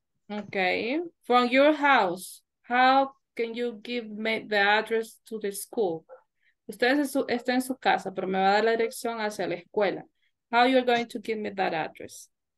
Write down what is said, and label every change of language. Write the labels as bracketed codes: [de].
[en] Okay, from your house, how can you give me the address to the school? [es] Usted está en su casa, pero me va a dar la dirección hacia la escuela. [en] How you're going to give me that address?